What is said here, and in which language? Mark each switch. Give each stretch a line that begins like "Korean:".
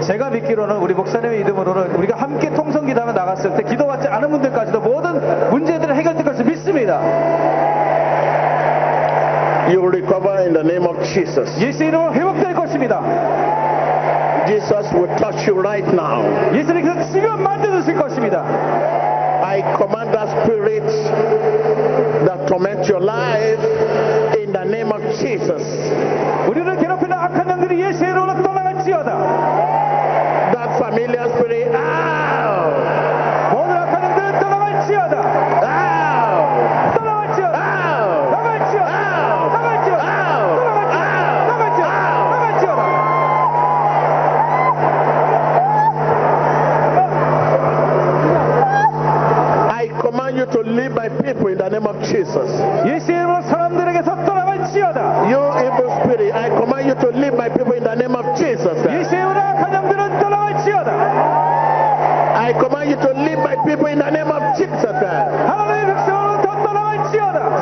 Korean: 제가 믿기로는 우리 목사님의 이름으로는 우리가 함께 통성 기도하며 나갔을 때 기도받지 않은 분들까지도 모든 문제들을 해결될 것을 믿습니다.
English: You will recover in the name of Jesus.
Korean: 예수 이름으로 회복될 것입니다.
English: Jesus will touch you right now.
Korean: 예수님께서 지금 만져주실 것입니다.
English: I command that spirit that torment your life in the name of Jesus.
Korean: 우리를 괴롭히는 악한 영들이 예수 이름으로 떠나갈지어다.
English: That familiar spirit out.
Korean: 모든 악한 영들 떠나갈지어다.
English: Out.
Korean: 떠나갈지어다.
English: Out.
Korean: 나갈지어다.
English: Out.
Korean: 나갈지어다.
English: Out.
Korean: 나갈지어다.
English: Out.
Korean: 나갈지어다.
English: Out.
Korean: 나갈지어다. 나갈지어다.
English: I command you to leave my people in the name of Jesus.
Korean: 예수 이름으로 사람들에게서 떠나갈지어다.
English: You evil spirit, I command you to leave my people in the name of Jesus.
Korean: 예수 이름으로 악한 영들은 떠나갈지어다.
English: I command you to leave my people in the name of Jesus.
Korean: 하나님의 백성으로부터 떠나갈지어다.